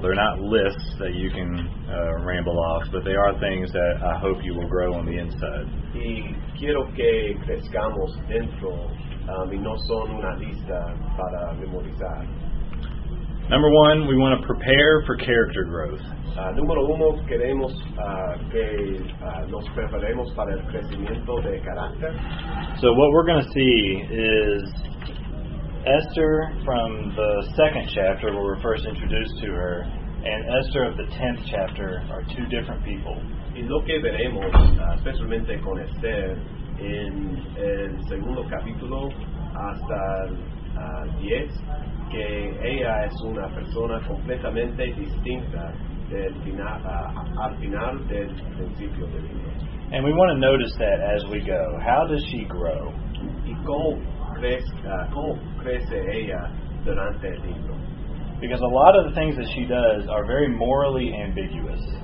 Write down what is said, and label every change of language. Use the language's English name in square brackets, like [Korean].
[English] They're not lists that you can ramble off, but they are things that I hope you will grow on the inside. [Spanish] Y quiero que crezcamos dentro y no son una lista para memorizar. [English] Number one, we want to prepare for character growth. [Spanish] Número uno, queremos que nos preparemos para el crecimiento de carácter. [English] So what we're going to see is Esther from the second chapter where we're first introduced to her and Esther of the 10th chapter are two different people. [Spanish] Y lo que veremos, especialmente con Esther, en el segundo capítulo hasta el 10, que ella es una persona completamente distinta al final del principio del libro. [English] And we want to notice that as we go. How does she grow? [Spanish] Y cómo crece ella durante el libro? [English] Because a lot of the things that she does are very morally ambiguous.